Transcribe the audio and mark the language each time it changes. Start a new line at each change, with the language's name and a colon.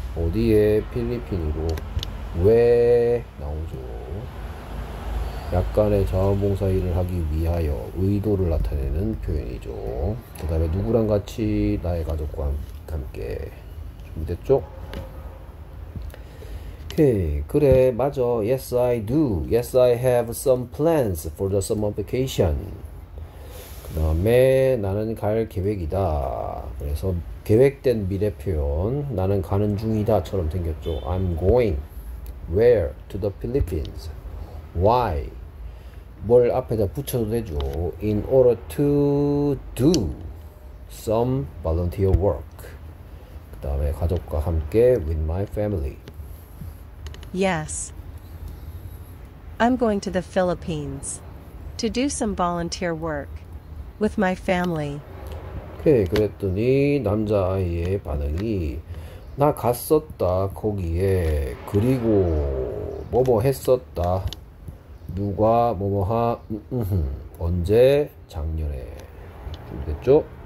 Korean: 어디에 필리핀으로 왜 나오죠? 약간의 자원봉사 일을 하기 위하여 의도를 나타내는 표현이죠. 그다음에 누구랑 같이 나의 가족과 함께 준비됐죠? 오케이. 그래, 맞아.
English: Yes, I do. Yes, I have some plans for the summer vacation.
Korean: 그 다음에 나는 갈 계획이다. 그래서 계획된 미래 표현. 나는 가는 중이다처럼 생겼죠.
English: I'm going. Where? To the Philippines. Why?
Korean: 뭘 앞에다 붙여도 되죠.
English: In order to do some volunteer work.
Korean: 그 다음에 가족과 함께
English: with my family. Yes. I'm going to the Philippines to do some volunteer work with my family.
Korean: 오케이, 그랬더니 남자아이의 반응이 나 갔었다 거기에 그리고 뭐뭐 했었다 누가 뭐뭐하 언제 작년에 준비됐죠?